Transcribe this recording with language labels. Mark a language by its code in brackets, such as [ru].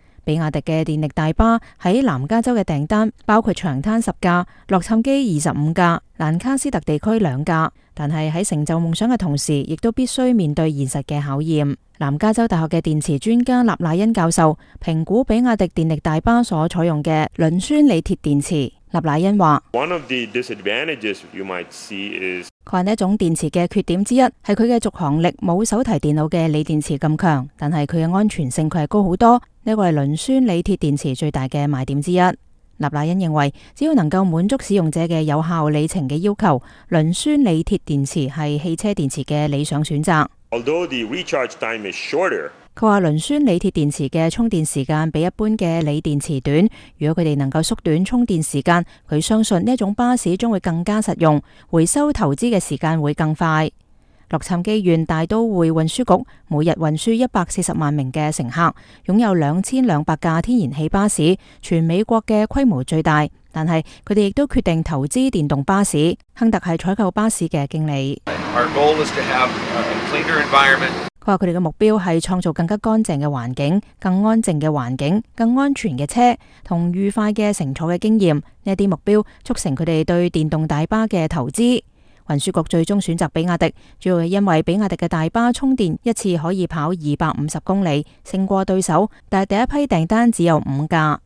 [zh] 比亚迪的电力大巴在南加州的订单包括长滩10架、洛杉矶25架、兰卡斯特地区2架。但是在成就梦想的同时亦都必须面对现实的考验。南加州大学的电池专家纳纳恩教授评估比亚迪电力大巴所采用的磷酸锂铁电池。纳纳恩说， [en] One of the disadvantages you might see is， [zh] 他说这种电池的缺点之一是它的续航力没有手提电脑的锂电池那么强，但是它的安全性是高很多，这个是磷酸锂铁电池最大的卖点之一。纳纳恩认为，只要能够满足使用者的有效里程的要求，磷酸锂铁电池是汽车电池的理想选择。 [en] Although the recharge time is shorter， [zh] 他说磷酸锂铁电池的充电时间比一般的锂电池短，如果他们能够缩短充电时间，他相信这种巴士将会更加实用，回收投资的时间会更快。洛杉矶县大都会运输局每日运输140万名的乘客，拥有2200架天然气巴士，全美国的规模最大，但是他们亦都决定投资电动巴士。亨特是采购巴士的经理。 [en] Our goal is to have a cleaner environment。 [zh] 他说他们的目标是创造更加干净的环境，更安静的环境，更安全的车和愉快的乘坐的经验。这些目标促成他们对电动大巴的投资。运输局最终选择比亚迪，主要是因为比亚迪的大巴充电一次可以跑250公里，胜过对手，但第一批订单只有5架。